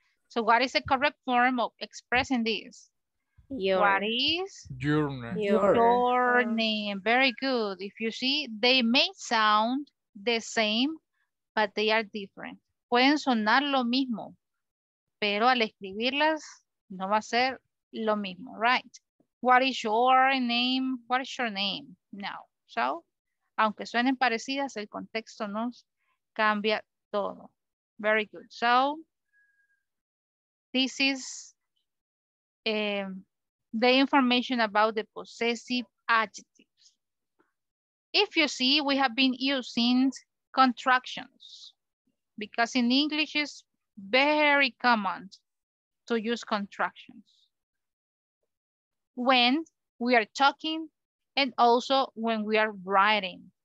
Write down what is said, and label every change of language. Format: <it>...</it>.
<en>So what is the correct form of expressing this? Your. What is your name? Your name. Very good. If you see, they may sound the same, but they are different.</en> <es>Pueden sonar lo mismo, pero al escribirlas no va a ser lo mismo, right?</es> <en>What is your name? What is your name? Now, so,</en> <es>aunque suenen parecidas, el contexto nos cambia todo.</es> <en>Very good. So, this is the information about the possessive adjectives. If you see, we have been using contractions because in English it's very common to use contractions when we are talking and also when we are writing.</en>